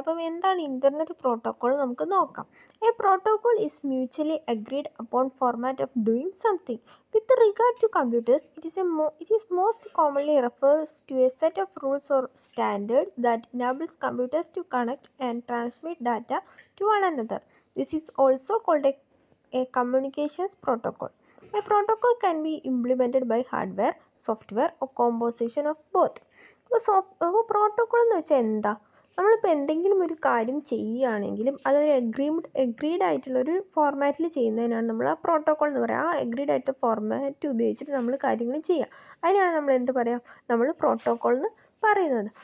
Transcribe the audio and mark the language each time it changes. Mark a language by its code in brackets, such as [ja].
[en] അപ്പം എന്താണ് internet protocol നമുക്ക് നോക്കാം. A protocol is mutually agreed upon format of doing something with regard to computers. It is most commonly refers to a set of rules or standard that enables computers to connect and transmit data to one another. This is also called a communications protocol. A protocol can be implemented by hardware, software, or composition of both. [ml] So, protocol ennu vacha enda നമ്മളിപ്പോൾ എന്തെങ്കിലും ഒരു കാര്യം ചെയ്യുകയാണെങ്കിലും അതൊരു agreed ആയിട്ടുള്ള ഒരു ഫോർമാറ്റിൽ ചെയ്യുന്നതിനാണ് നമ്മൾ ആ പ്രോട്ടോക്കോൾ എന്ന് പറയുക. ആ അഗ്രീഡ് ആയിട്ട് ഫോർമാറ്റ് ഉപയോഗിച്ചിട്ട് നമ്മൾ കാര്യങ്ങൾ ചെയ്യുക, അതിനാണ് നമ്മൾ എന്ത് പറയുക, നമ്മൾ പ്രോട്ടോക്കോൾ എന്ന് പറയുന്നത്.